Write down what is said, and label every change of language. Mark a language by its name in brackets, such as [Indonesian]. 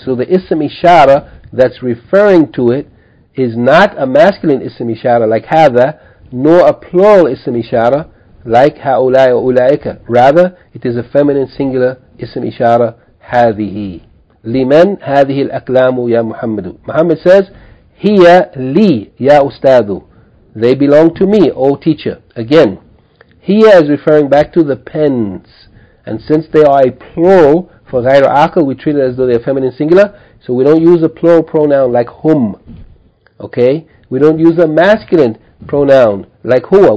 [English] So the اسم إشارة that's referring to it is not a masculine ism ishara like هذا, nor a plural ism ishara like هؤلاء وأولئك. Rather, it is a feminine singular ism ishara, هذه. [Arabic] لمن هذه الأكلام يا محمد. Muhammad says, هي لي يا أستاذ. [English] They belong to me, O teacher. Again, هي is referring back to the pens. And since they are a plural for غير عاقل, we treat it as though they are feminine singular. So we don't use a plural pronoun like هم. Okay, we don't use a masculine pronoun like هو.